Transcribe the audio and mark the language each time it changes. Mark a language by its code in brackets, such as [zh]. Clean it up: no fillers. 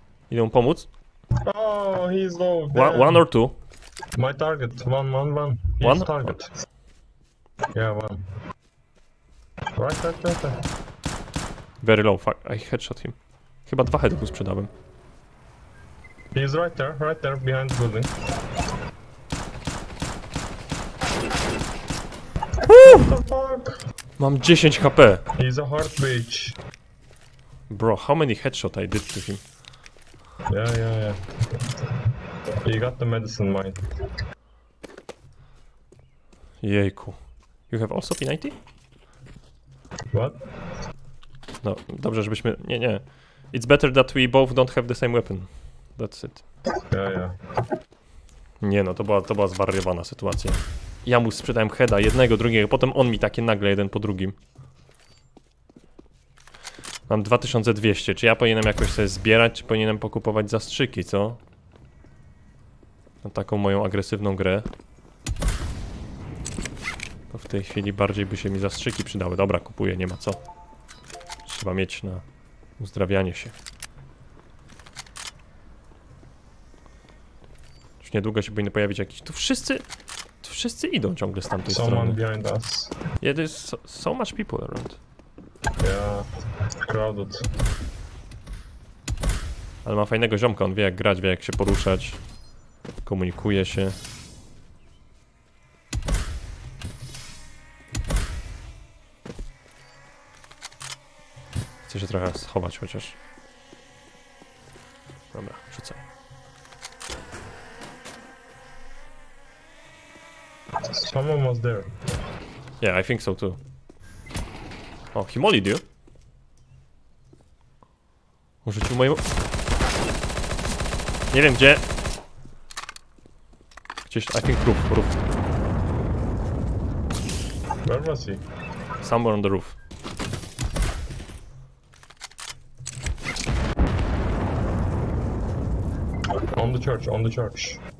[pl] Idę mu pomóc. [en] Oh, he's low. One or two? My target, one. He's one target. Yeah, one. Right. Very low, fuck. I headshot him. [pl] Chyba dwa headów sprzedałem. [en] He's right there, behind the building. Woo! What the fuck? [pl] Mam 10 HP. [en] He's a hard bitch. Bro, how many headshot I did to him? Yeah. You got the medicine mine. [pl] Jejku. [en] You have also P90? What? [pl] No, dobrze, żebyśmy... Nie, nie. [en] It's better that we both don't have the same weapon. That's it. Yeah. [pl] Nie no, to była zwariowana sytuacja. Ja mu sprzedałem heada, jednego, drugiego, potem on mi takie nagle, jeden po drugim. Mam 2200, czy ja powinienem jakoś sobie zbierać, czy powinienem pokupować zastrzyki, co? Na taką moją agresywną grę. To w tej chwili bardziej by się mi zastrzyki przydały. Dobra, kupuję, nie ma co. Trzeba mieć na uzdrawianie się. Już niedługo się powinny pojawić jakieś... Tu wszyscy idą ciągle z tamtej [en] Someone [pl] strony. [en] Someone behind us. Yeah, there's so much people around. Yeah, crowded. [pl] Ale ma fajnego ziomka, on wie jak grać, wie jak się poruszać. Komunikuje się. Chcę się trochę schować chociaż. Dobra, rzucaj. [en] Someone was there. Yeah, I think so too. O, he mollied you. [pl] Urzucił moje... Nie wiem gdzie. Gdzieś, [en] I think roof, roof. Where was he? Somewhere on the roof. On the church, on the church.